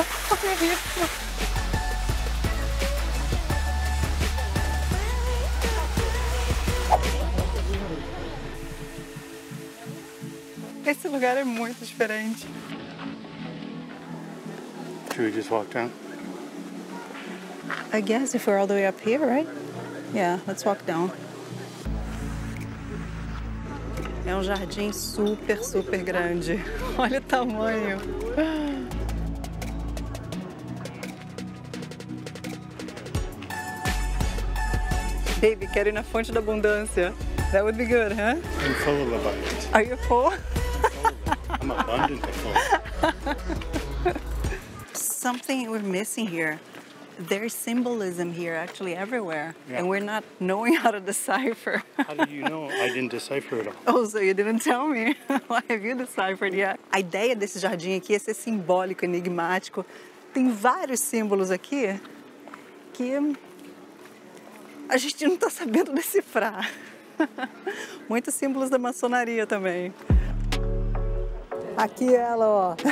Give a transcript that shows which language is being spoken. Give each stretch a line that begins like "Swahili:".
Portuguese: Olha isso. Esse lugar é muito diferente.
English: Should we just walk down? I guess if we're all the way up here, right? Yeah, let's walk down.
Portuguese: É um jardim super, super grande. Olha o tamanho. Baby, quero ir na fonte da abundância.
English: That would be good, huh? I'm full of abundance. Are you full? I'm abundant. Something we're missing here. There's symbolism here, actually, everywhere. Yeah. And we're not knowing how to decipher. How do you know? I didn't decipher it all. Oh, so you didn't tell me. Why have you deciphered yet?
Portuguese: A ideia desse jardim aqui é ser simbólico, enigmático. Tem vários símbolos aqui que a gente não está sabendo decifrar. Muitos símbolos da maçonaria também. Aqui ela, ó.